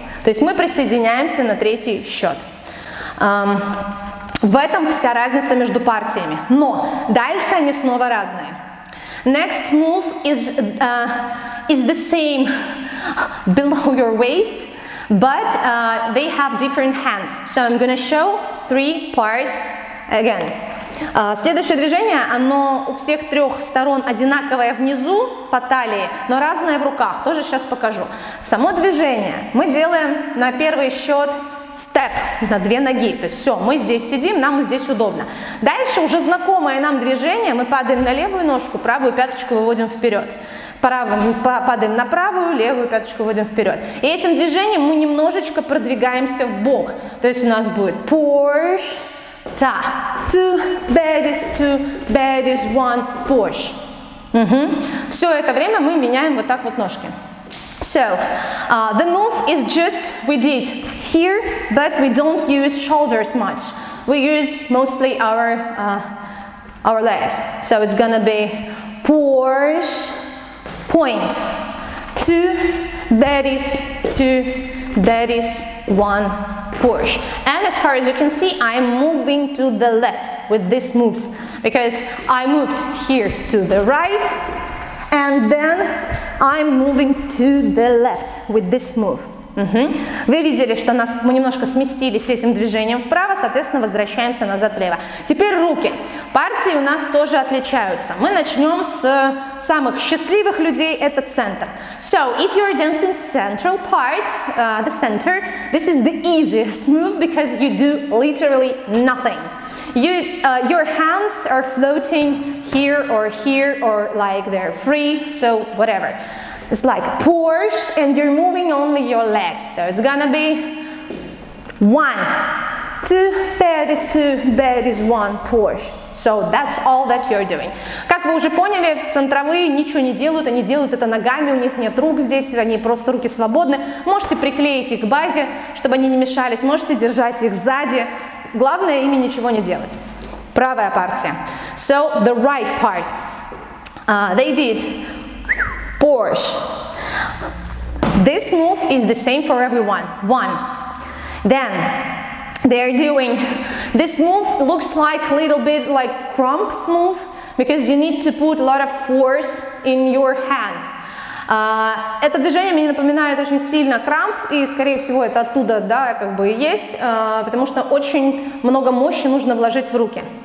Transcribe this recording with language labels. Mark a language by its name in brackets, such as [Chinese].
[Russian] То есть мы присоединяемся на третий счет. В этом вся разница между партиями. Но дальше они снова разные. [English] Next move is the same below your waist. But they have different hands. So I'm gonna show three parts again. [Russian] Следующее движение, оно у всех трех сторон одинаковое внизу по талии, но разное в руках. Тоже сейчас покажу. Само движение мы делаем на первый счет степ на две ноги. То есть все, мы здесь сидим, нам здесь удобно. Дальше уже знакомое нам движение. Мы падаем на левую ножку, правую пяточку выводим вперед. падаем на правую, левую пяточку вводим вперед. И этим движением мы немножечко продвигаемся в бок. То есть у нас будет [English] push, ta, two, baddies, one, push. [Russian] Угу. Все это время мы меняем вот так вот ножки. [English] So, the move is just we did here, but we don't use shoulders much. We use mostly our legs. So it's gonna be push, point, two, baddies, one, push. And as far as you can see, I'm moving to the left with these moves because I moved here to the right and then I'm moving to the left with this move. Mm-hmm. [Russian] Вы видели, что нас мы немножко сместились этим движением вправо, соответственно, возвращаемся назад влево. Теперь руки. Партии у нас тоже отличаются. Мы начнем с самых счастливых людей, это центр. [English] So, if you're dancing central part, the center, this is the easiest move because you do literally nothing. Your hands are floating here or here or like they're free, so whatever. It's like push and you're moving only your legs. So it's gonna be one, two, baddies, two, baddies, one, push. So that's all that you're doing. [Russian] Как вы уже поняли, центровые ничего не делают, они делают это ногами, у них нет рук здесь, они просто руки свободны. Можете приклеить их к базе, чтобы они не мешались, можете держать их сзади. Главное, ими ничего не делать. Правая партия. [English] So, the right part. They did push. This move is the same for everyone. One. Then, they're doing... This move looks like a little bit like crump move, because you need to put a lot of force in your hand. [Russian] Это движение мне напоминает очень сильно крамп, и, скорее всего, это оттуда, да, как бы и есть, потому что очень много мощи нужно вложить в руки.